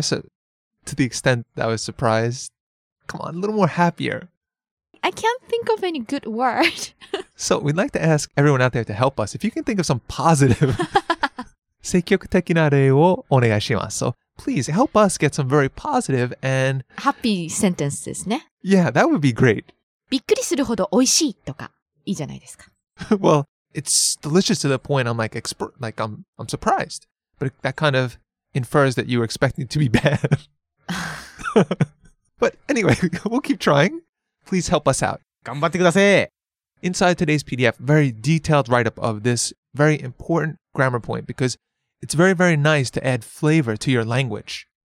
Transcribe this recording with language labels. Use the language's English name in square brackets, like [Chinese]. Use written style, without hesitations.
[English] So, to the extent that I was surprised, come on, a little more happier. I can't think of any good word. So, we'd like to ask everyone out there to help us. If you can think of some positive, [Japanese] 積極的な例をお願いします。 [English] So, please help us get some very positive and... Happy sentences, ね? Yeah, that would be great. [Japanese] びっくりするほど美味しいとかいいじゃないですか。 [English] Well, it's delicious to the point I'm like, I'm surprised. But that kind of... infers that you were expecting to be bad. But anyway, we'll keep trying. Please help us out. [Japanese] 頑張ってください。 [English] Inside today's PDF, very detailed write-up of this very important grammar point because it's very, very nice to add flavor to your language.